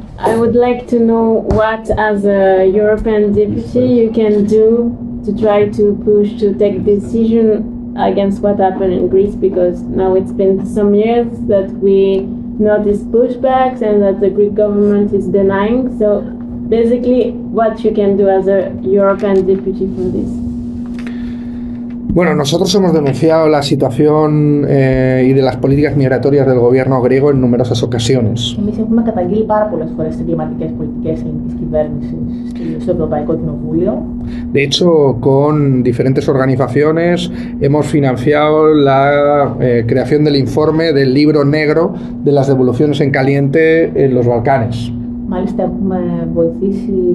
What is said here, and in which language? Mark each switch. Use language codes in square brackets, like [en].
[en] I would like to know what, as a European deputy, you can do to try to push to take decision against what happened in Greece, because now it's been some years that we notice pushbacks and that the Greek government is denying. So basically, what you can do as a European deputy for this? [es] Bueno, nosotros hemos denunciado la situación y de las políticas migratorias del gobierno griego en numerosas ocasiones. [el] Εμείς έχουμε καταγγείλει πάρα πολλές φορές τις κλιματικές πολιτικές της κυβέρνησης στο Ευρωπαϊκό Κοινοβούλιο. [es] De hecho, con diferentes organizaciones hemos financiado la creación del informe del libro negro de las devoluciones en caliente en los Balcanes. [el] Μάλιστα, έχουμε βοηθήσει...